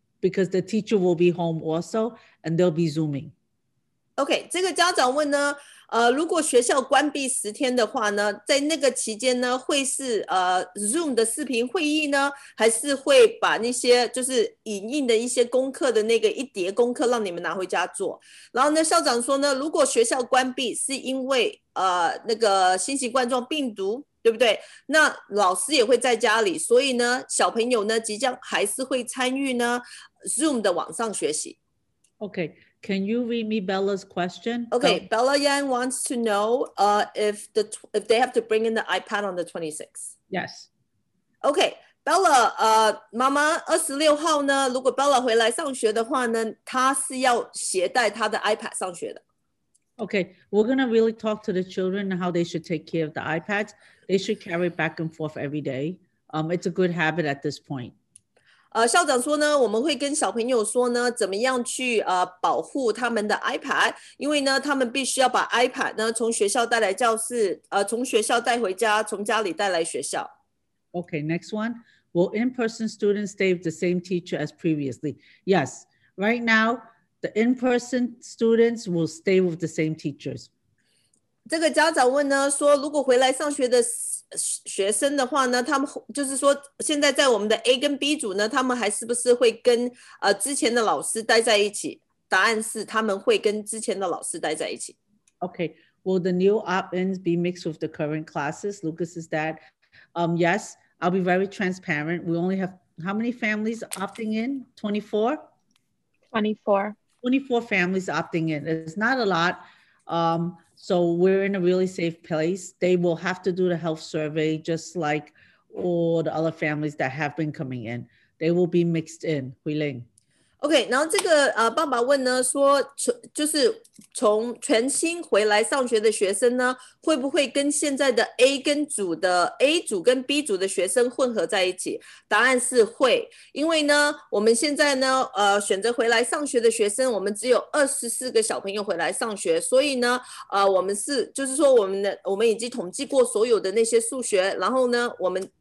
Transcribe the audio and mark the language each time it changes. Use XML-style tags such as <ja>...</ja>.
<en>Because the teacher will be home also, and they'll be zooming.</en> <zh>Okay, 这个家长问呢，如果学校关闭十天的话呢，在那个期间呢，会是Zoom 的视频会议呢，还是会把那些就是影印的一些功课的那个一叠功课让你们拿回家做？然后呢，校长说呢，如果学校关闭是因为那个新型冠状病毒。对不对？那老师也会在家里，所以呢，小朋友呢，即将还是会参与呢 ，Zoom 的网上学习。</zh> <en>Okay, can you read me Bella's question? Okay, Bella Yang wants to know, if they have to bring in the iPad on the 26th. Yes.</en> <zh>Okay, Bella, 妈妈，26号呢？如果 Bella 回来上学的话呢，她是要携带她的 iPad 上学的。</zh> <en>Okay, we're going to really talk to the children and how they should take care of the iPads. They should carry it back and forth every day. It's a good habit at this point.</en> <zh>校长说呢，我们会跟小朋友说呢，怎么样去保护他们的 iPad, 因为呢，他们必须要把 iPad 呢从学校带来教室，从学校带回家，从家里带来学校。</zh> <en>Okay, next one. Will in-person students stay with the same teacher as previously? Yes, right now,The in-person students will stay with the same teachers.</en> <zh>这个家长问呢，说如果回来上学的学生的话呢，他们就是说现在在我们的 A 跟 B 组呢，他们还是不是会跟之前的老师待在一起？答案是他们会跟之前的老师待在一起。</zh> <en>Okay, will the new opt-ins be mixed with the current classes? Lucas's dad. Yes, I'll be very transparent. We only have how many families opting in? 24? 24 families opting in. It's not a lot. So we're in a really safe place. They will have to do the health survey just like all the other families that have been coming in. They will be mixed in. Huiling.</en> <zh>Okay, 然后这个爸爸问呢，说就是从全新回来上学的学生呢，会不会跟现在的 A 组跟 B 组的学生混合在一起？答案是会，因为呢，我们现在呢，选择回来上学的学生，我们只有24个小朋友回来上学，所以呢，我们是就是说我们已经统计过所有的那些数学，然后呢，我们。</zh>